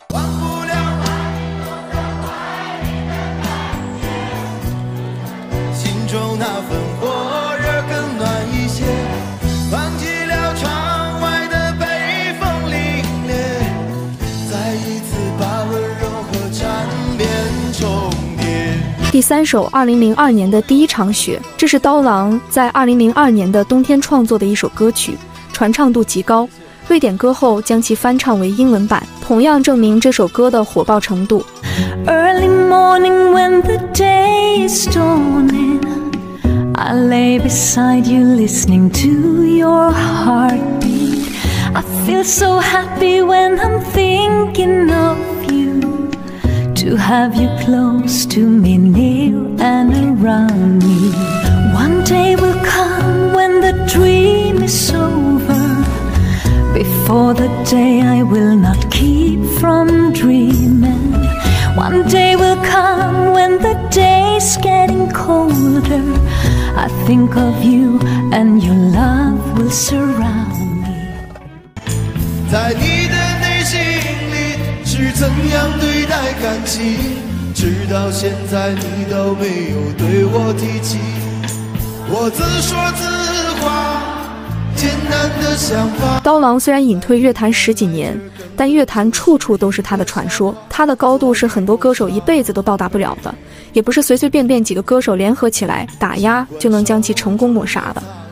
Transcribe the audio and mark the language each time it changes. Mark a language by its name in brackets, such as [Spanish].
[Chinese] 忘不了爱我的爱人，心中那份火热更暖一些，忘记了窗外的北风凛冽，再一次把温柔和缠绵重。第三首2002年的《第一场雪》，这是刀郎在2002年的冬天创作的一首歌曲，传唱度极高。瑞典歌后将其翻唱为英文版，同样证明这首歌的火爆程度。 [English] Early morning when the day is dawning, I lay beside you listening to your heartbeat. I feel so happy when I'm thinking of you. To have you close to me, near and around me. One day will come when the dream is over. Before the day I will not keep from dreaming. One day will come when the day's getting colder. I think of you and your love will surround me. [Chinese] 在你的内心是怎样对待感情，直到现在你都没有对我提起，我自说自话，艰难的想法。刀郎虽然隐退乐坛十几年，但乐坛处处都是他的传说，他的高度是很多歌手一辈子都到达不了的，也不是随随便便几个歌手联合起来打压就能将其成功抹杀的。